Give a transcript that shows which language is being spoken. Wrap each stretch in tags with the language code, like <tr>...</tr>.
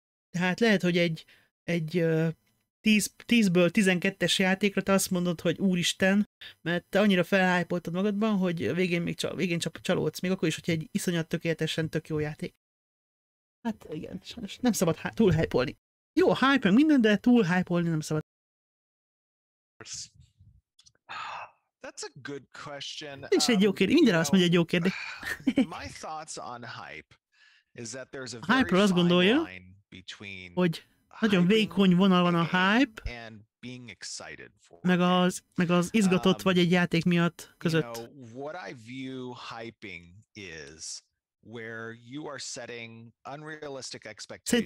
<hu>Tehát lehet, hogy egy 10-ből 12-es játékra te azt mondod, hogy úristen, mert te annyira felhype-oltad magadban, hogy végén csak csalódsz, még akkor is, hogyha egy iszonyat tökéletesen tök jó játék. Hát igen, sajnos nem szabad túl hype-olni. Jó, hype meg minden, de túl hype-olni nem szabad.</hu> <en>That's a good question.</en> <hu>Nincs egy jó kérdés. Mindjárt azt mondja, egy jó kérdés.</hu> <en>My thoughts on hype is that there's a very fine line between</en> <hu>hogy nagyon vékony vonal van a hype</hu> <en>and being excited for</en> <hu>meg az izgatott vagy egy játék miatt között.</hu> <en>You know, what I view hyping is where you are setting unrealistic expectations.</en>